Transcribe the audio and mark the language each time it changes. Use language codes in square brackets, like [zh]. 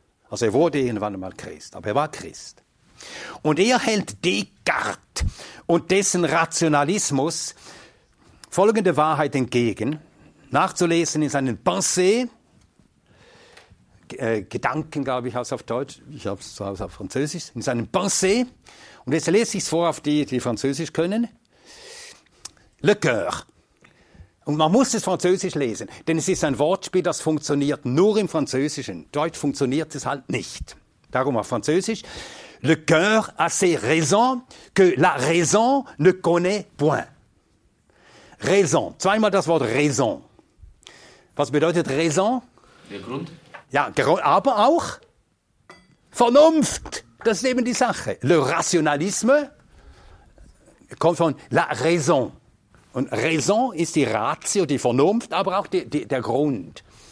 [de] Also er wurde irgendwann einmal Christ, aber er war Christ. Und er hält Descartes und dessen Rationalismus folgende Wahrheit entgegen, nachzulesen in seinen Pensées, Gedanken, glaube ich, heißt auf Deutsch, ich habe es zu Hause auf Französisch, in seinen Pensées. Und jetzt lese ich es vor auf die, die Französisch können. [fr] Le cœur. [de] Und man muss es Französisch lesen, denn es ist ein Wortspiel, das funktioniert nur im Französischen. Deutsch funktioniert es halt nicht. Darum auf Französisch. [fr] Le cœur a ses raisons que la raison ne connaît point. [de] Raison. Zweimal das Wort raison. Was bedeutet raison? Der Grund. Ja, aber auch Vernunft. Das ist eben die Sache. Le rationalisme kommt von la raison. Und raison ist die Ratio, die Vernunft, aber auch der Grund.